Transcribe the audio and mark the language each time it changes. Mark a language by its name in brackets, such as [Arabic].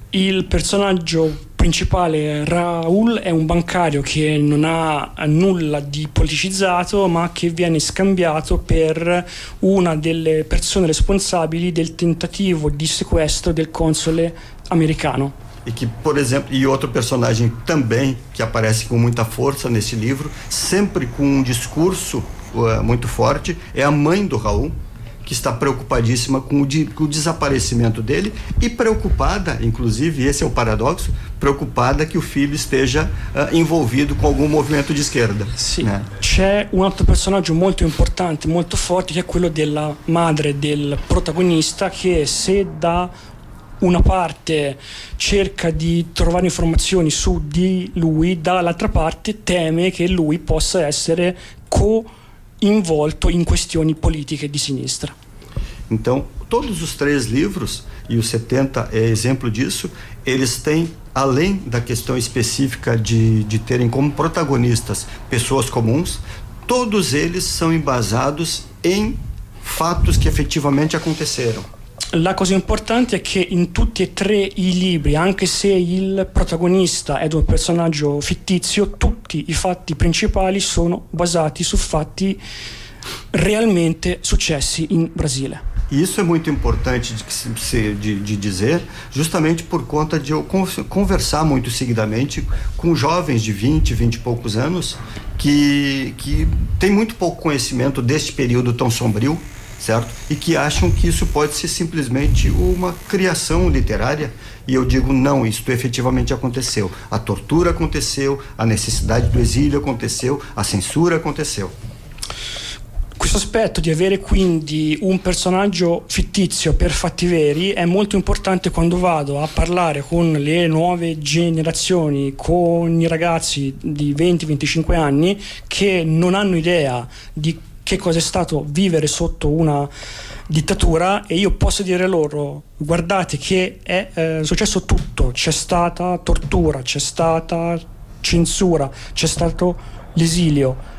[Italian] Il personaggio principale Raul è un bancario che non ha nulla di politicizzato, ma che viene scambiato per una delle persone responsabili del tentativo di sequestro del console americano. [Portuguese] E que, por exemplo, e outro personagem também que aparece com muita força nesse livro, sempre com um discurso muito forte, é a mãe do Raul, que está preocupadíssima com o desaparecimento dele e preocupada, inclusive, esse é o paradoxo, preocupada que o filho esteja envolvido com algum movimento de esquerda. Sim. Né? [Italian] C'è un altro personaggio molto importante, molto forte, che è quello della madre del protagonista, che se dà una parte cerca di trovare informazioni su di lui, dall'altra parte teme che lui possa essere coinvolto in questioni politiche di sinistra. [Portuguese] Então, todos os três livros, e o 70 é exemplo disso, eles têm, além da questão específica de terem como protagonistas pessoas comuns, todos eles são embasados em fatos que efetivamente aconteceram. [Italian] La cosa importante è che in tutti e tre i libri, anche se il protagonista è un personaggio fittizio, tutti i fatti principali sono basati su fatti realmente successi in Brasile. [Portuguese] Isso é muito importante de dizer, justamente por conta de eu conversar muito seguidamente com jovens de 20, 20 e poucos anos, que têm muito pouco conhecimento deste período tão sombrio, certo? E que acham que isso pode ser simplesmente uma criação literária. E eu digo, não, isto efetivamente aconteceu. A tortura aconteceu, a necessidade do exílio aconteceu, a censura aconteceu. [Italian] Questo aspetto di avere quindi un personaggio fittizio per fatti veri è molto importante quando vado a parlare con le nuove generazioni, con i ragazzi di 20-25 anni che non hanno idea di che cosa è stato vivere sotto una dittatura, e io posso dire loro: guardate che è successo tutto, c'è stata tortura, c'è stata censura, c'è stato l'esilio.